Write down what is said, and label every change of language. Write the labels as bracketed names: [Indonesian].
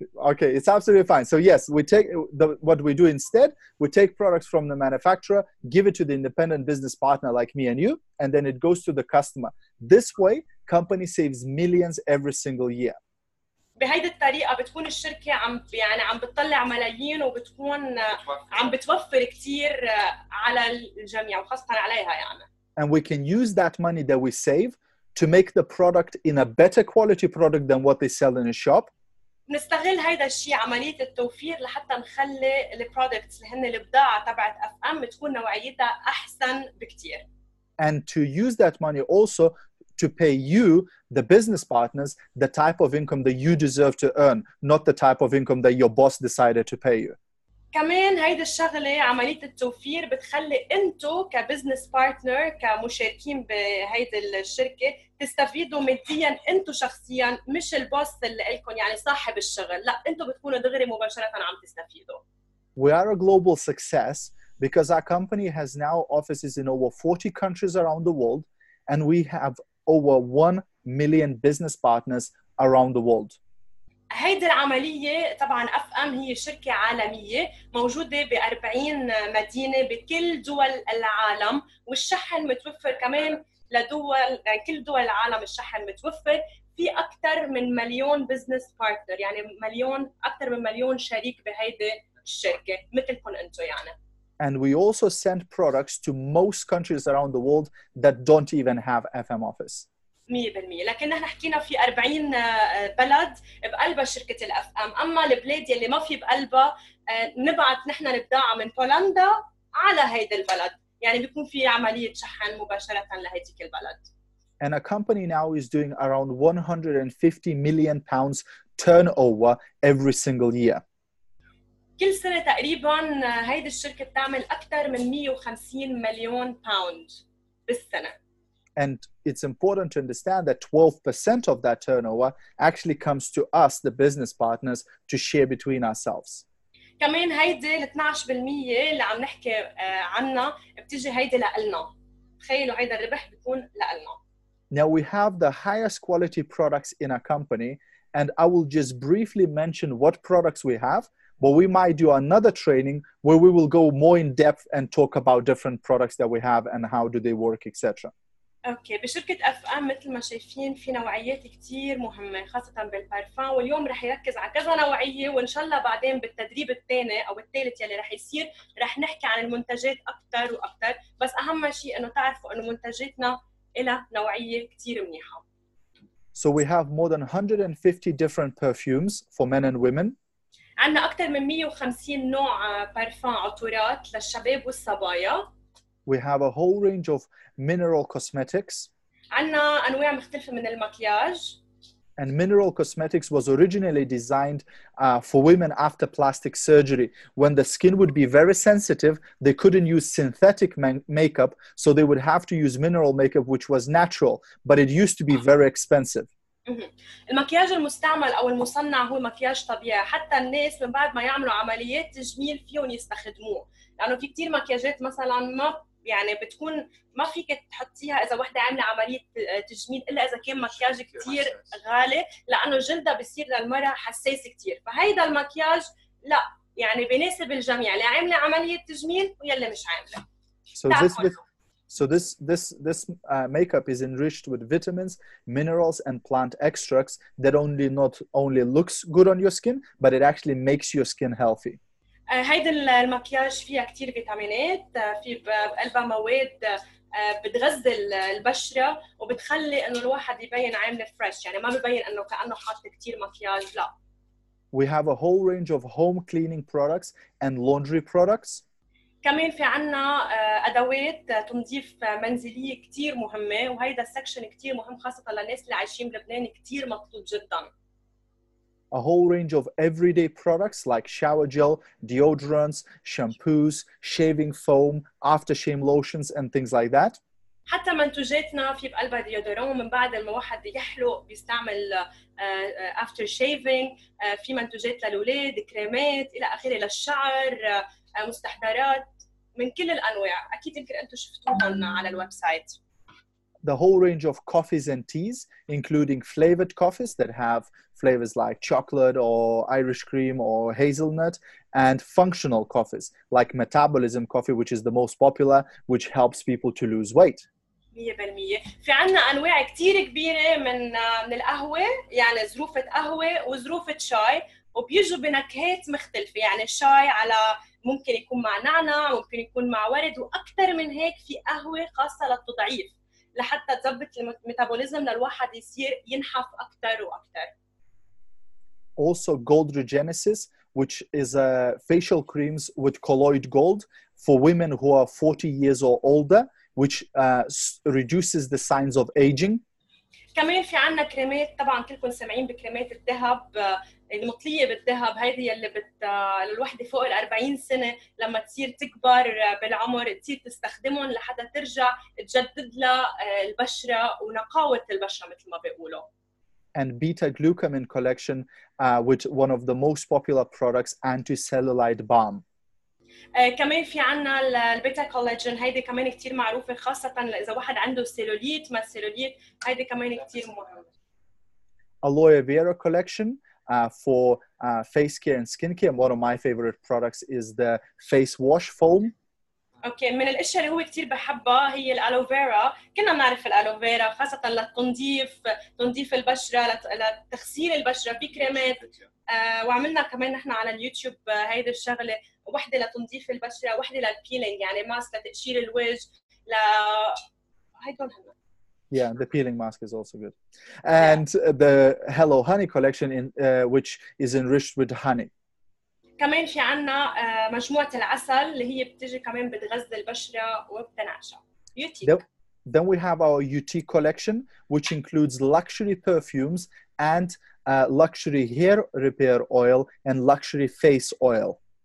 [English] Okay, it's absolutely fine. So yes, we take what we do instead, we take products from the manufacturer, give it to the independent business partner like me and you, and then it goes to the customer. This way, company saves millions every single year. [Arabic] بهيدي الطريقة بتكون الشركة عم يعني عم بتطلع ملايين وبتكون عم بتوفر كتير على الجميع وخاصة عليها يعني. [English] And we can use that money that we save to make the product in a better quality product than what they sell in a shop. [Arabic] نستغل هيدا الشيء عملية التوفير لحتى نخلي البرودكتس اللي هن البضاعة تبعت اف ام تكون نوعيتها احسن بكتير. [English] And to use that money also to pay you, the business partners, the type of income that you deserve to earn, not the type of income that your boss decided to pay you. [Arabic] كمان هيدا الشغلة عملية التوفير بتخلي انتو كبزنس بارتنر كمشاركين بهيدا الشركة تستفيدوا ماديا انتو شخصيا مش البوس اللي لكم يعني صاحب الشغل لا انتو بتكونوا دغري مباشرة عم تستفيدوا. [English] We are a global success because our company has now offices in over 40 countries around the world and we have over 1 million business partners around the world. [Arabic] هيدي العملية طبعاً اف ام هي شركة عالمية موجودة ب40 مدينة بكل دول العالم والشحن متوفر كمان لدول كل دول العالم الشحن متوفر في اكثر من مليون [English] business partner [Arabic] يعني مليون اكثر من مليون شريك بهيدي الشركة مثلكم انتو يعني. [English] And we also send products to most countries around the world that don't even have FM office. 100%. [Arabic] لكن نحن حكينا في 40 بلد بقلبها شركة الأفأم. أما البلاد اللي ما في بقلبها نبعث نحن البضاعة من بولندا على هيدا البلد. يعني بيكون في عملية شحن مباشرة لهيديك البلد. [English] And a company now is doing around 150 million pounds turnover every single year. [Arabic] كل سنة تقريباً هيدي الشركة بتعمل أكثر من 150 مليون باوند بالسنة. [English] And it's important to understand that 12% of that turnover actually comes to us, the business partners, to share between ourselves. [Arabic] كمان هيدي الـ 12% اللي عم نحكي عنها بتجي هيدي لألنا. تخيلوا هيدا الربح بيكون لألنا. [English] Now we have the highest quality products in our company and I will just briefly mention what products we have. But we might do another training where we will go more in depth and talk about different products that we have and how do they work, etc. [Arabic] Okay, بشركة FM مثل ما شايفين في نوعيات كتير مهمة خاصة بالبارفان واليوم رح يركز على كذا نوعية وإن شاء الله بعدين بالتدريب الثاني أو الثالث يلي رح يصير رح نحكي عن المنتجات أكتر وأكتر بس أهم شيء إنه تعرفوا إنه منتجاتنا إلها نوعية كتير منيحة. [English] So we have more than 150 different perfumes for men and women. [Arabic] عندنا أكثر من 150 نوع بارفان عطورات للشباب والصبايا. [English] We have a whole range of mineral cosmetics. [Arabic] عندنا أنواع مختلفة من المكياج. [English] And mineral cosmetics was originally designed for women after plastic surgery. When the skin would be very sensitive, they couldn't use synthetic makeup, so they would have to use mineral makeup, which was natural, but it used to be very expensive. [Arabic] المكياج المستعمل أو المصنع هو مكياج طبيعي حتى الناس من بعد ما يعملوا عمليات تجميل فيهم يستخدموه لأنه في كتير مكياجات مثلاً ما يعني بتكون ما فيك تحطيها إذا واحدة عاملة عملية تجميل إلا إذا كان مكياج كتير غالي لأنه جلدها بيصير للمرأة حساس كتير فهيدا المكياج لا يعني بيناسب الجميع اللي عاملة عملية تجميل ويلي مش عاملة [English] So this makeup is enriched with vitamins, minerals, and plant extracts that not only looks good on your skin, but it actually makes your skin healthy. [Arabic] هيدا المكياج فيها كتير فيتامينات في بقلبها مواد بتغذي البشرة وبتخلي إنه الواحد يبين عامل fresh يعني ما ببين إنه كأنه حاط كتير مكياج لا. [English] We have a whole range of home cleaning products and laundry products. [Arabic] كمان في عنا أدوات تنظيف منزلية كتير مهمة وهيدا السكشن كتير مهم خاصة للناس اللي عايشين بلبنان كتير مطلوب جدا. [English] A whole range of everyday products like shower gel, deodorants, shampoos, shaving foam, aftershave lotions and things like that. [Arabic] حتى منتجاتنا في بقلبها ديودورون من بعد ما واحد يحلق بيستعمل [English] after shaving [Arabic] في منتجات للولاد كريمات إلى آخره للشعر مستحضرات من كل الأنواع. أكيد يمكن أنتوا شفتوهن على الويب سايت. [English] The whole range of coffees and teas, including flavored coffees that have flavors like chocolate or Irish cream or hazelnut, and functional coffees like metabolism coffee, which is the most popular, which helps people to lose weight. 100%. [Arabic] في عنا أنواع كتير كبيرة من القهوة, يعني ظروفة قهوة وظروفة شاي, وبيجوا بنكهات مختلفة. يعني الشاي على ممكن يكون مع نعنع, ممكن يكون مع ورد, وأكثر من هيك في قهوة خاصة للتضعيف لحتى تضبط الميتابوليزم للواحد يصير ينحف أكثر وأكثر. [English] Also gold regenesis, which is a facial creams with colloid gold for women who are 40 years or older, which reduces the signs of aging. [Arabic] كمان في عنا كريمات, طبعا كلكم سمعين بكريمات الذهب المطلية بالذهب, هذه اللي للوحدة فوق 40 سنة لما تصير تكبر بالعمر تصير تستخدمهم لحتى ترجع تجدد لها البشرة ونقاوة البشرة مثل ما بيقولوا. [English] And beta glucamin collection with one of the most popular products, anti-cellulite balm. [Arabic] كمان في عنا البيتا كولاجين, هيدي كمان كتير معروفة خاصة إذا واحد عنده سيلوليت ما سيلوليت, هيدي كمان كتير مهمة. [English] Aloe vera collection for face care and skin care. One of my favorite products is the face wash foam. [Arabic] أوكي, من الأشياء اللي هو كتير بحبها هي الالو فيرا. كنا نعرف الالو فيرا خاصة للتنظيف, تنظيف البشرة, لتغسيل البشرة في كريمات. وعملنا كمان نحن على اليوتيوب هيدي الشغلة, واحدة لتنظيف البشرة, واحدة للبيلينج, يعني ماسك لتقشير الوجه. لا هيدون هلا. [English] Yeah, the peeling mask is also good. And yeah, the Hello Honey collection in which is enriched with honey. [Arabic] كمان في عنا مجموعة العسل اللي هي بتجي كمان بتغذي البشرة وبتنعشها. [English] Then we have our Yuti collection, which includes luxury perfumes and luxury hair repair oil and luxury face oil.